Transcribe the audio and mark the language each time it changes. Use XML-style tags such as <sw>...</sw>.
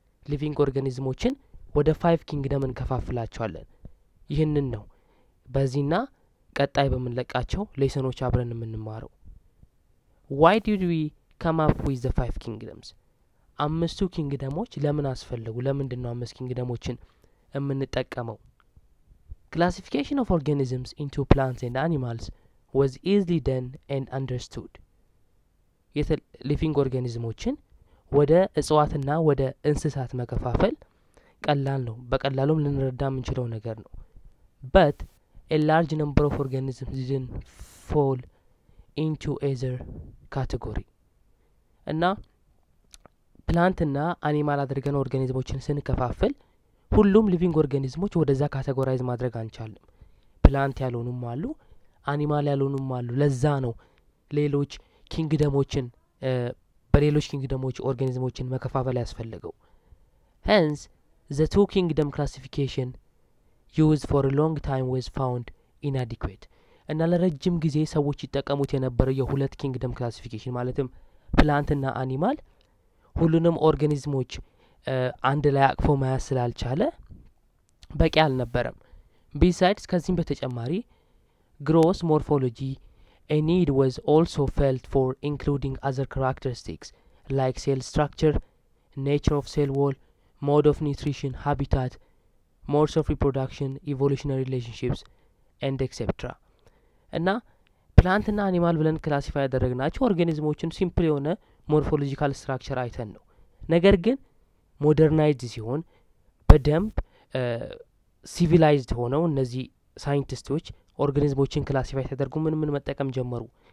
<am>ሊቪንግ ኦርጋኒዝሞችን ወደ 5 ኪንግደም እንከፋፍላቸዋለን። ይህንን ነው በዚህና ቀጣይ በመንለቃቸው ሌሰኖች አብረን የምንማረው።</am> <en>Why did we come up with the 5 kingdoms?</en> <am>አምስቱ ኪንግደሞች ለምን አስፈልጉ? ለምንድን ነው 5 ኪንግደሞችን የምንጠቀመው?</am> <en>Classification of organisms into plants and animals was easily done and understood.</en> <am>Living organismsዎችን ወደ እጽዋትና ወደ እንስሳት መከፋፈል ቀላል ነው፣ በቀላሉም ልንረዳም እንችለው ነገር ነው።</am> <en>But a large number of organisms didn't fall into either category.</en> <am>እና ፕላንትና አኒማል አድርገን ኦርጋኒዝሞችን ስንከፋፈል ሁሉም ሊቪንግ ኦርጋኒዝሞች ወደዛ ካተጎራይዝ ማድረግ አንቻለም። ፕላንት ያልሆኑም አሉ፣ አኒማል ያልሆኑም አሉ። ለዛ ነው ሌሎች ኪንግደሞችን በሌሎች ኪንግደሞች ኦርጋኒዝሞችን መከፋፈል ያስፈልገው።</am> <en>Hence the two kingdom classification used for a long time was found inadequate.</en> <am>እና ለረጅም ጊዜ ሰዎች ይጠቀሙት የነበረው የሁለት ኪንግደም ክላሲፊኬሽን ማለትም ፕላንትና አኒማል ሁሉንም ኦርጋኒዝሞች አንድ ላይ አቅፎ ማያ ስላልቻለ በቂ አልነበረም።</am> <en>Besides,</en> <am>ከዚህም በተጨማሪ</am> <en>gross morphology a need was also felt for including other characteristics like cell structure, nature of cell wall, mode of nutrition, habitat, modes of reproduction, evolutionary relationships and etc.</en> <am>እና ፕላንትና አኒማል ብለን ክላሲፋይ ያደረግናቸው ኦርጋኒዝሞችን ሲምፕል የሆነ ሞርፎሎጂካል ስትራክቸር አይተን ነው። ነገር ግን ሞደርናይዝድ ሲሆን በደንብ ሲቪላይዝድ ሆነው እነዚህ ሳይንቲስቶች ኦርጋኒዝሞችን ክላሲፋይ ተደርጉ ምን መጠቀም ጀመሩ?</am>